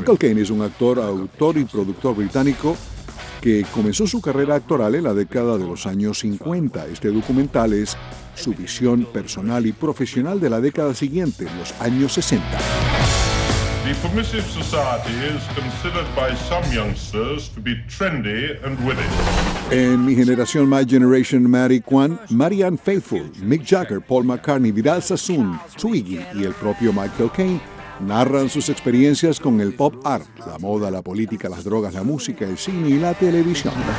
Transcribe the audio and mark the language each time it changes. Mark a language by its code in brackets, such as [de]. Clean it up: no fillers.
[es] Michael Caine es un actor, autor y productor británico que comenzó su carrera actoral en la década de los años 50. Este documental es su visión personal y profesional de la década siguiente, los años 60. [en] The permissive society is considered by some youngsters to be trendy and winning. [es] En mi generación, My Generation, Mary Kwan, Marianne Faithfull, Mick Jagger, Paul McCartney, Vidal Sassoon, Twiggy y el propio Michael Caine narran sus experiencias con el pop art, la moda, la política, las drogas, la música, el cine y la televisión.